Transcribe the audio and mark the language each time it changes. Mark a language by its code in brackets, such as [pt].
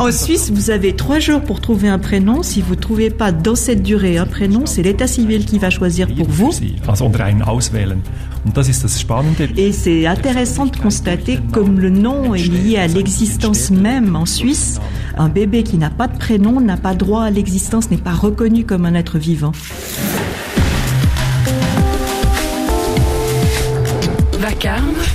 [fr] En Suisse, vous avez 3 jours pour trouver un prénom. Si vous trouvez pas dans cette durée un prénom, c'est l'état civil qui va choisir pour vous. [de] Sie, also einen auswählen. Und das ist das Spannende. [fr] Et c'est intéressant de constater comme le nom est lié à l'existence même en Suisse. Un bébé qui n'a pas de prénom n'a pas droit à l'existence, n'est pas reconnu comme un être vivant. Vacarme.